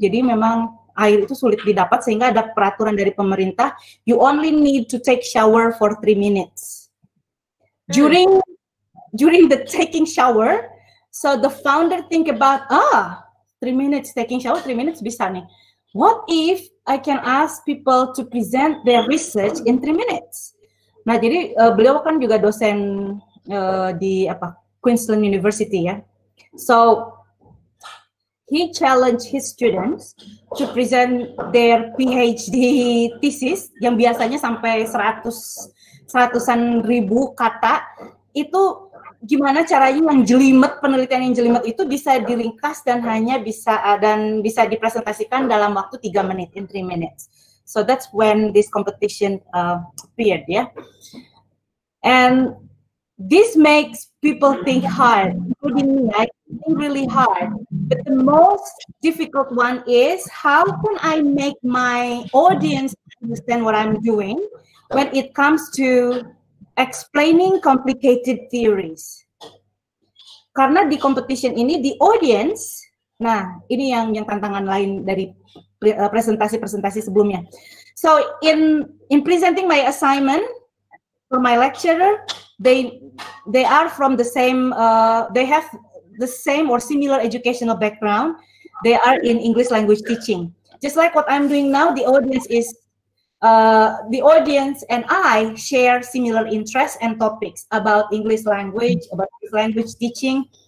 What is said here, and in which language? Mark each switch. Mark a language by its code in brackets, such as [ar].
[id] Jadi memang air itu sulit didapat sehingga ada peraturan dari pemerintah. [en] You only need to take shower for 3 minutes. During the taking shower, so the founder think about, 3 minutes, taking shower, [id] 3 minutes bisa nih. [en] What if I can ask people to present their research in 3 minutes? [id] Nah, jadi beliau kan juga dosen di Queensland University ya. [en] So he challenged his students to present their PhD thesis [id] yang biasanya sampai 100-an ribu kata. Itu gimana caranya yang jelimet, penelitian yang jelimet itu bisa diringkas dan hanya bisa dan bisa dipresentasikan dalam waktu 3 menit, [en] in 3 minutes. So that's when this competition appeared, yeah. And this makes people think hard, including me, I think really hard. But the most difficult one is, how can I make my audience understand what I'm doing when it comes to explaining complicated theories? [id] Karena di competition ini, [en] the audience, [id] nah ini yang tantangan lain dari presentasi-presentasi sebelumnya. [en] So in presenting my assignment for my lecturer, they are from the same they have the same or similar educational background. They are in English language teaching. Just like what I'm doing now, the audience is the audience and I share similar interests and topics about English language, about English language teaching.